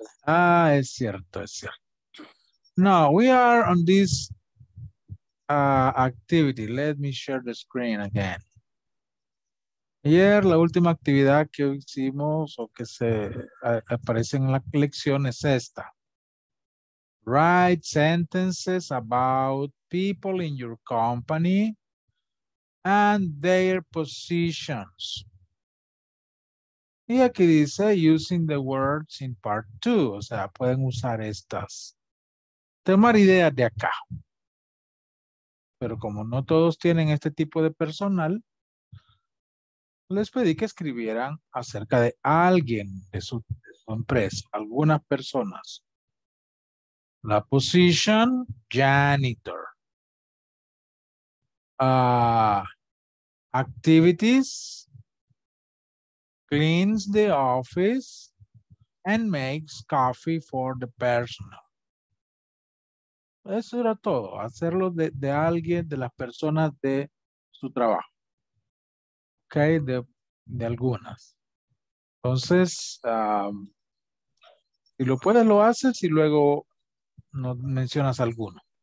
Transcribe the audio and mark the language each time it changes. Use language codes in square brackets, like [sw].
[es] Ah, es cierto, es cierto. [en] No, we are on this activity. Let me share the screen again. [es] Ayer, la última actividad que hicimos o que se aparece en la lección es esta. [en] Write sentences about people in your company and their positions. [es] Y aquí dice, [en] using the words in part two. [es] O sea, pueden usar estas tomar ideas de acá. Pero como no todos tienen este tipo de personal, les pedí que escribieran acerca de alguien de su empresa, algunas personas. La position, janitor. [en] Activities, cleans the office and makes coffee for the personal. [es] Eso era todo, hacerlo de alguien, de las personas de su trabajo. Okay, de algunas. Entonces, si lo puedes, lo haces y luego no mencionas alguno.